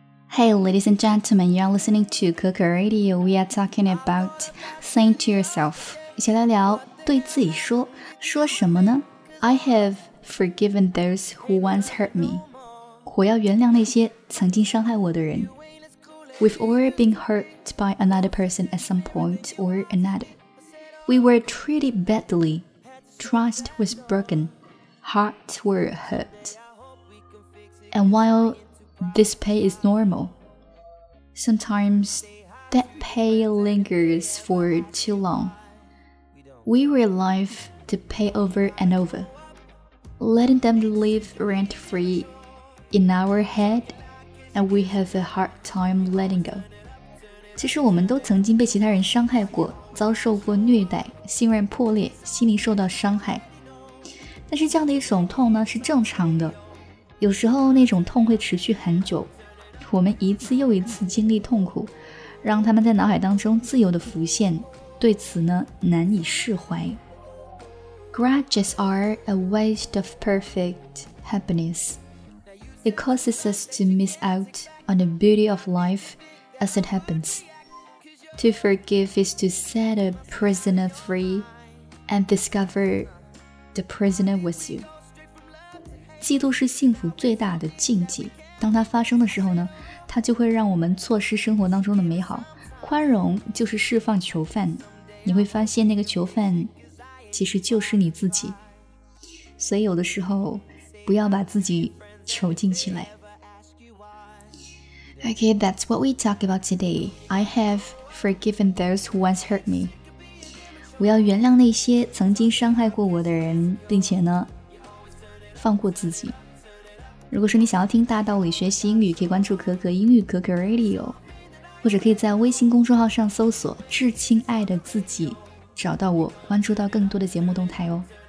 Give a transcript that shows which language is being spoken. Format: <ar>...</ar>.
<en>Hey, ladies and gentlemen, you're listening to Coco Radio. We are talking about saying to yourself.</en> <zh>一起来聊对自己说，说什么呢？</zh> <en>I have forgiven those who once hurt me.</en> <zh>我要原谅那些曾经伤害我的人。</zh> <en>We've all been hurt by another person at some point or another. We were treated badly. Trust was broken. Hearts were hurt. And while this pain is normal, sometimes that pain lingers for too long. We relive the pain over and over, letting them live rent-free in our head. And we have a hard time letting go.</en> <zh>其实我们都曾经被其他人伤害过，遭受过虐待，信任破裂，心灵受到伤害。但是这样的一种痛呢，是正常的。有时候那种痛会持续很久，我们一次又一次经历痛苦，让他们在脑海当中自由地浮现，对此呢，难以释怀。</zh> <en>Grudges are a waste of perfect happiness. It causes us to miss out on the beauty of life as it happens. To forgive is to set a prisoner free and discover the prisoner with you.</en> <zh>嫉妒是幸福最大的禁忌。当它发生的时候呢，它就会让我们错失生活当中的美好。宽容就是释放囚犯。你会发现那个囚犯其实就是你自己。所以有的时候不要把自己囚禁起来。</zh> <en>Okay, that's what we talk about today. I have forgiven those who once hurt me.</en> <zh>我要原谅那些曾经伤害过我的人，并且呢，放过自己。如果说你想要听大道理学习英语，可以关注可可英语可可 Radio， 或者可以在微信公众号上搜索“至亲爱的自己”，找到我，关注到更多的节目动态哦。</zh>